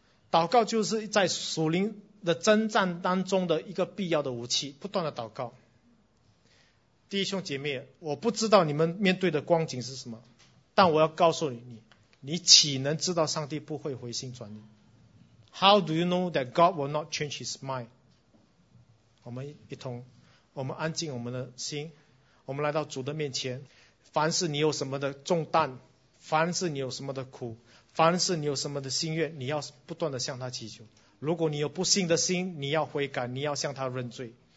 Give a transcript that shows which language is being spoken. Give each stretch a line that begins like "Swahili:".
Chinese: 祷告就是在属灵的征战当中的一个必要的武器，不断的祷告。弟兄姐妹，我不知道你们面对的光景是什么，但我要告诉你岂能知道上帝不会回心转意？
English: How do you know that God will not change his mind?
Chinese: 我们一同，我们安静我们的心，我们来到主的面前。凡是你有什么的重担，凡是你有什么的苦，凡是你有什么的心愿，你要不断的向他祈求。如果你有不信的心，你要悔改，你要向他认罪。